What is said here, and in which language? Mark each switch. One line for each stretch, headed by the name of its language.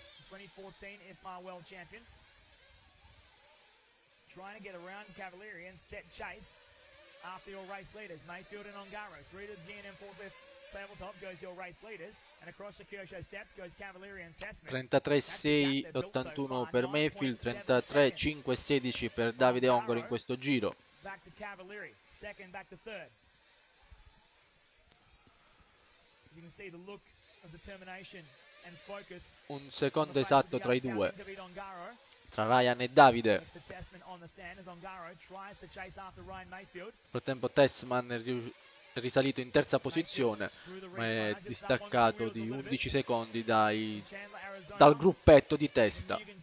English: 2014 IFMA World Champion. Trying to get around Cavalieri and set chase after your race leaders. Mayfield and Ongaro. Through the GNM forklift tabletop goes your race leaders. And across the Kershaw steps goes Cavalieri and Tessman.
Italian: 33.6.81 per Mayfield, 33.5.16 per Davide Ongaro in questo giro.
English: Back to Cavalieri, second back to third. You can see the look of determination and focus.
Italian: Un secondo esatto tra i due, tra Ryan e Davide. Nel frattempo Tessman è risalito in terza posizione, ma è distaccato di 11 secondi dal gruppetto di testa.